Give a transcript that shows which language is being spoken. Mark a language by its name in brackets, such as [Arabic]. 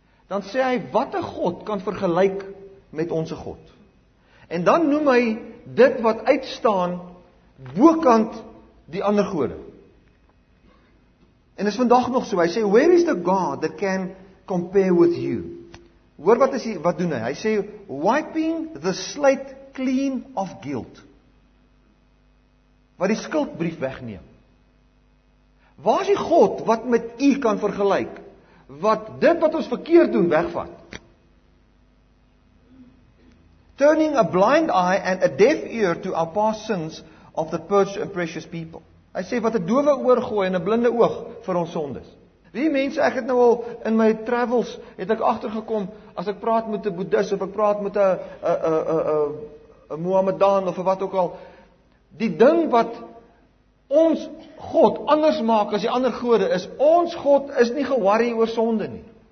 [Afrikaans] Dan sê hy, wat 'n God kan vergelyk met onse God? En dan noem hy dit wat uitstaan bokant die ander gode. En is vandag nog so, hy sê, [English] where is the God that can compare with you? [Afrikaans] Hoor wat is hy, wat doen hy? Hy sê, [English] wiping the slate clean of guilt. [Afrikaans] Wat die skuldbrief wegneem. Waar is die God wat met u kan vergelyk? Wat dit wat ons verkeerd doen wegvat. [English] Turning a blind eye and a deaf ear to our past sins of the purged and precious people. [Afrikaans] Hy sê wat 'n dowe oor gooi en 'n blinde oog vir ons sondes. Wie mense, ek het nou al in my travels, het ek agtergekom, as ek praat met 'n boeddhis of ek praat met 'n Mohammedaan of wat ook al, die ding wat ons God anders maak as die ander gode is, ons God is nie geworry oor sonde nie.